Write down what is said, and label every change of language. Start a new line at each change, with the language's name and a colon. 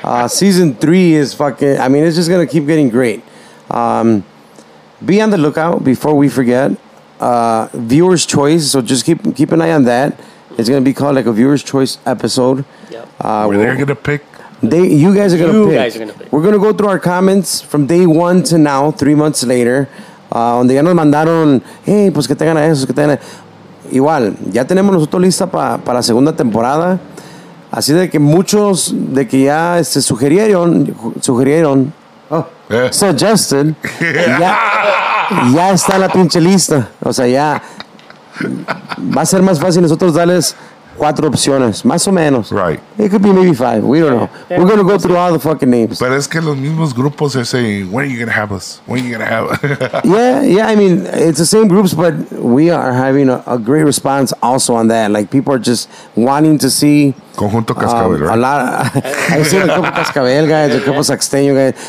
English: Season 3 is fucking, I mean, it's just going to keep getting great. Be on the lookout before we forget. Viewer's choice, so just keep an eye on that. It's going to be called like a viewer's choice episode. Yep. They're going to pick. You guys are going to pick. We're going to go through our comments from day 1 to now, 3 months later.
Spanish: Donde ya nos mandaron, hey, pues que tengan a esos, que tengan a... Igual, ya tenemos nosotros lista para la segunda temporada. Así de que muchos de que ya se sugirieron. Suggested. Ya está la pinche lista. O sea, ya va a ser más fácil nosotros darles 4 opciones, más o menos.
English: Right. It could be maybe 5. We don't know. Yeah. We're going to go through all the fucking names. But
Spanish: es que los mismos grupos
English: are saying, when are you going to have us? When are you going to have us? Yeah, I mean, it's the same groups, but we are having a great response also on that. Like, people are just wanting to see... Conjunto Cascabel, right? A lot of... I've seen a couple Cascabel guys, a couple Saxteño guys.